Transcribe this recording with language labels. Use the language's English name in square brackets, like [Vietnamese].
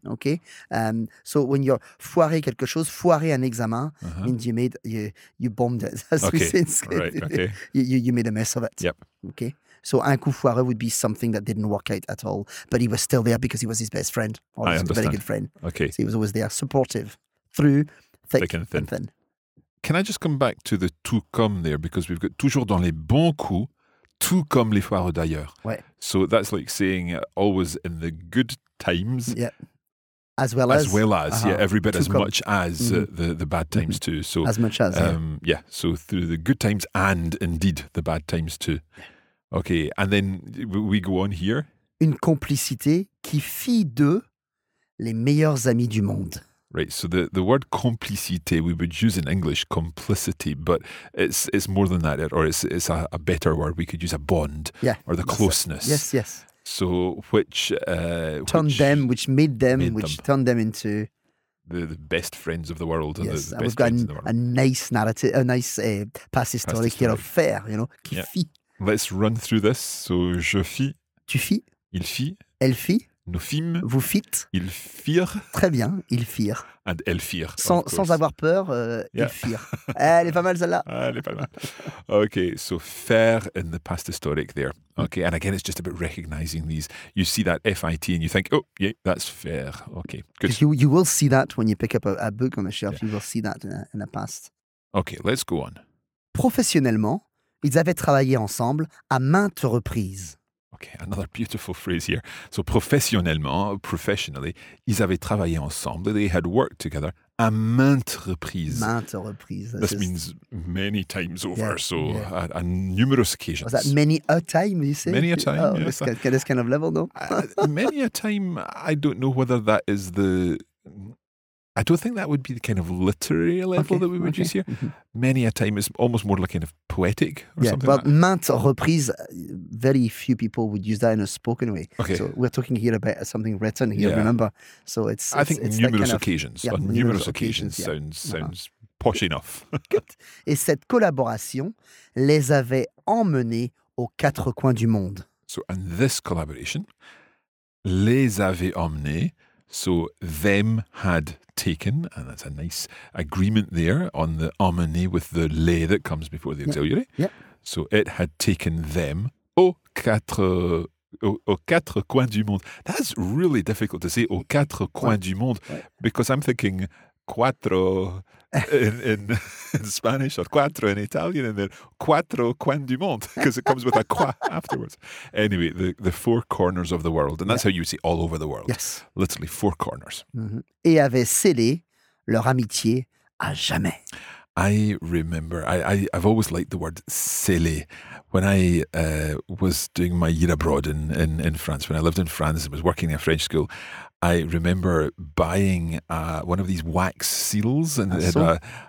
[English] Okay. So when you're [French] foirer quelque chose, foirer un examen [English] means you bombed it. That's okay. What right, okay. You made a mess of it. Yep. Okay. So [French] un coup foireux [English] would be something that didn't work out at all, but he was still there because he was his best friend. Or a very good friend. Okay. So he was always there, supportive, through thick and thin. Can I just come back to the tout comme there? Because we've got [French] toujours dans les bons coups, tout comme les foireux d'ailleurs. Ouais. [English] So that's like saying always in the good times. Yeah. As well as. Uh-huh. Yeah, every bit as much as the bad times too. So as much as. Yeah, so through the good times and indeed the bad times too. Okay, and then we go on here. [French] Une complicité qui fit d'eux les meilleurs amis du monde. [English] Right, so the word complicité, we would use in English complicity, but it's more than that, or it's a better word. We could use a bond, or the closeness. Yes, yes. So which... turned them into... The best friends of the world. Yes, we've got a nice narrative, a nice past historique here of faire, you know, qui fit. Let's run through this. So [French] je fis. Tu fis. Il fit. Elle fit. Nous fîmes. Vous fîtes. Ils firent. Très bien, ils firent. And elles firent. Sans avoir peur, ils firent. Elle est pas mal celle-là. Elle est pas mal. [English] Okay, so faire in the past historic there. Okay, and again, it's just about recognizing these. You see that F-I-T and you think, oh, yeah, that's faire. Okay, good. You will see that when you pick up a book on the shelf. Yeah. You will see that in the past. Okay, let's go on. [French] Professionnellement, ils avaient travaillé ensemble à maintes reprises. [English] Okay, another beautiful phrase here. So professionally, [French] ils avaient travaillé ensemble, [English] they had worked together, [French] à maintes reprises. Maintes reprises. [English] This means many times over, on numerous occasions. Was that many a time, you say? Many a time, this kind of level, no? many a time, I don't know whether that is I don't think that would be the kind of literary level that we would use here. Many a time is almost more like kind of poetic or something. Well, maintes reprises, very few people would use that in a spoken way. Okay. So we're talking here about something written here, remember? So it's I think it's numerous occasions. Kind of, yeah, numerous occasions sounds posh enough. Good. [French] Et cette collaboration les avait emmenés aux quatre coins du monde. [English] So, and this collaboration [French] les avait emmenés. [English] So them had taken, and that's a nice agreement there on the emmené with the les that comes before the auxiliary. Yeah. Yeah. So it had taken them [French] aux quatre coins du monde. [English] That's really difficult to say, [French] aux quatre coins du monde, [English] because I'm thinking cuatro in Spanish or cuatro in Italian, and then cuatro coins du monde, because it comes with a qua afterwards. Anyway, the four corners of the world, and that's how you would say all over the world. Yes. Literally, four corners. Mm-hmm. [French] Et avait scellé leur amitié à jamais. [English] I remember, I've always liked the word scellé. When I was doing my year abroad in France, when I lived in France and was working in a French school, I remember buying one of these wax seals and it had